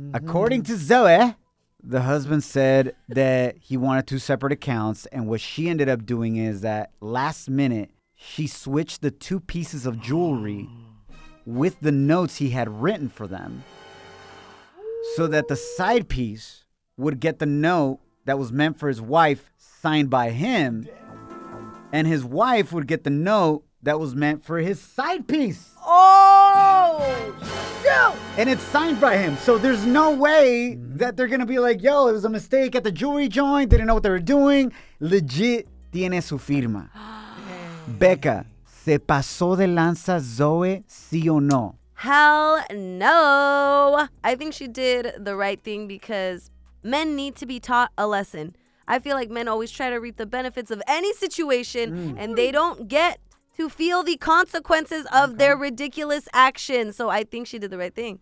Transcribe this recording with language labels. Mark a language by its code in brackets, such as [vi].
[en] According to Zoe, the husband said that he wanted two separate accounts, and what she ended up doing is that last minute, she switched the two pieces of jewelry with the notes he had written for them so that the side piece would get the note that was meant for his wife signed by him, and his wife would get the note that was meant for his side piece. Oh, no! And it's signed by him. So there's no way that they're going to be like, yo, it was a mistake at the jewelry joint. They didn't know what they were doing. Legit, [es] tiene su firma. Becca, se pasó de lanza Zoe, sí o no? [en] Hell no. I think she did the right thing because men need to be taught a lesson. I feel like men always try to reap the benefits of any situation and they don't get to feel the consequences of their ridiculous actions. So I think she did the right thing.